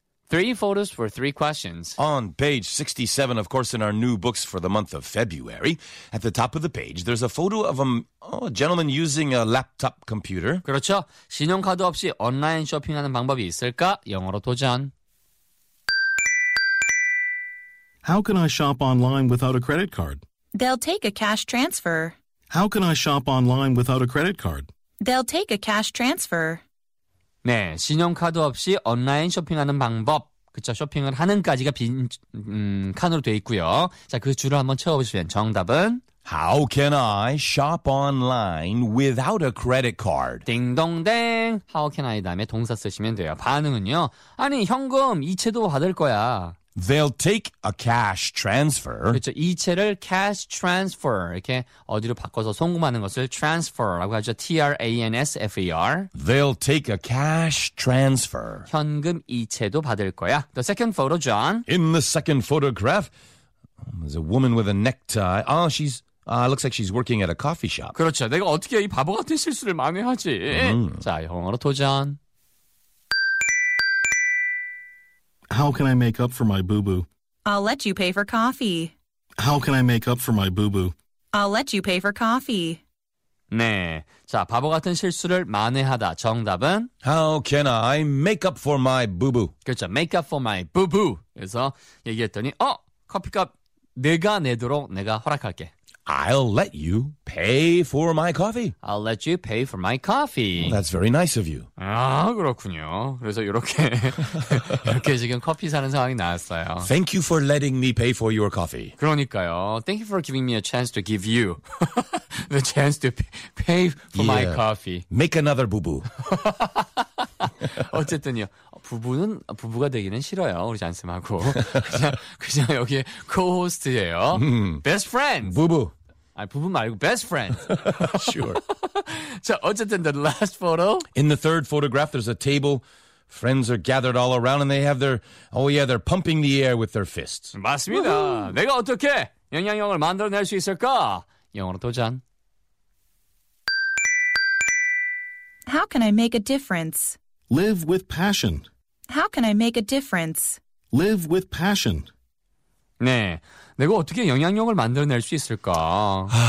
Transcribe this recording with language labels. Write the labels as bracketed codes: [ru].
[en] Three photos for three questions. On page 67, of course, in our new books for the month of February, at the top of the page, there's a photo of a gentleman using a laptop computer. [ko] 그렇죠. 신용카드 없이 온라인 쇼핑하는 방법이 있을까? 영어로 도전. [en] How can I shop online without a credit card? They'll take a cash transfer. How can I shop online without a credit card? They'll take a cash transfer. [ko] 네, 신용카드 없이 온라인 쇼핑하는 방법. 그쵸, 쇼핑을 하는까지가 빈 칸으로 되어 있고요. 자, 그 줄을 한번 채워보시면 정답은 [en] How can I shop online without a credit card? [ko] 딩동댕. [en] How can I [ko] 다음에 동사 쓰시면 돼요. 반응은요. 아니, 현금 이체도 받을 거야. [en] They'll take a cash transfer. [ko] 그렇죠. 이체를 [en] cash transfer. [ko] 이렇게 어디로 바꿔서 송금하는 것을 transfer라고 하죠. [en] T-R-A-N-S-F-E-R. They'll take a cash transfer. [ko] 현금 이체도 받을 거야. [en] The second photo, John. In the second photograph, there's a woman with a necktie. Oh, she's... looks like she's working at a coffee shop. [ko] 그렇죠. 내가 어떻게 이 바보 같은 실수를 만회하지? Mm-hmm. 자, 영어로 도전. [en] How can I make up for my boo-boo? I'll let you pay for coffee. How can I make up for my boo-boo? I'll let you pay for coffee. [ko] 네, 자, 바보 같은 실수를 만회하다. 정답은? [en] How can I make up for my boo-boo? [ko] 그렇죠, [en] make up for my boo-boo. [ko] 그래서 얘기했더니, 커피값 내가 내도록 내가 허락할게. [en] I'll let you pay for my coffee. I'll let you pay for my coffee. Well, that's very nice of you. [ko] 아, 그렇군요. 그래서 이렇게 이렇게 지금 커피 사는 상황이 나왔어요. [en] Thank you for letting me pay for your coffee. [ko] 그러니까요. [en] Thank you for giving me a chance to give you the chance to pay for yeah. my coffee. Make another boo-boo. [ko] 어쨌든요. 부부는 부부가 되기는 싫어요. 우리 잔슴하고. 그냥 여기 코호스트예요. [en] Best friend. [ko] 부부. 아니, 부부 말고 [en] best friend. Sure. [ko] 자, 어쨌든 [en] the last photo. In the third photograph, there's a table. Friends are gathered all around and they have their, oh yeah, they're pumping the air with their fists. [ko] 맞습니다. 내가 어떻게 영양용을 만들어낼 수 있을까? 영어로 도전. [en] How can I make a difference? Live with passion. How can I make a difference? Live with passion. [ko] 네, 내가 어떻게 영향력을 만들어낼 수 있을까?